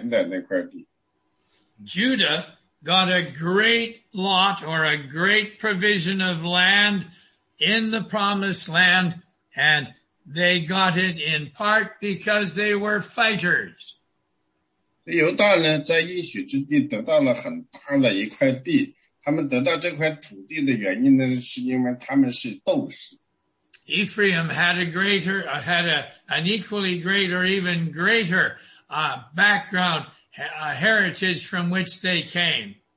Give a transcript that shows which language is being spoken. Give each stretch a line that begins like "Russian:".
Chinese: 所以如果你今天晚上呢，没有查经的话呢，这里有谈到一个关于那个犹大他的那块地，那个以法莲的那块地。Judah
English: got a great lot or a great provision of land in the promised land, and they got it in part because they were fighters.
Chinese: 犹大呢，在应许之地得到了很大的一块地。
English: Ephraim had a greater, had a, an equally great or even greater background, a heritage from which they came.